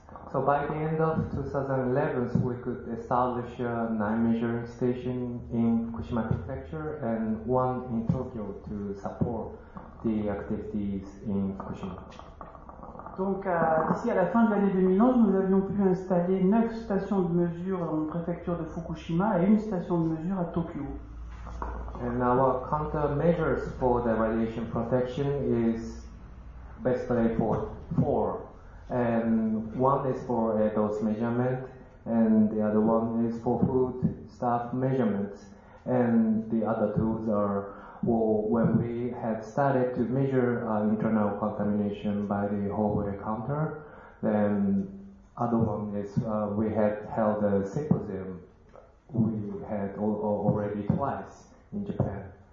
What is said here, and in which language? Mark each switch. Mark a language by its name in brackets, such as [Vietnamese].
[English] So by the end of 2011, we could establish a 9 measuring station in Fukushima Prefecture and one in Tokyo to support the activities in Fukushima. [French] Donc d'ici à la fin de l'année 2011, nous avions pu installer 9 stations de mesure dans la préfecture de Fukushima et une station de mesure à Tokyo. [English] And our countermeasures for the radiation protection is basically four. And one is for dose measurement, and the other one is for food stuff measurements, and the other two are, well, when we had started to measure internal contamination by the hallway counter, then other one is we had held a symposium we had already twice in Japan.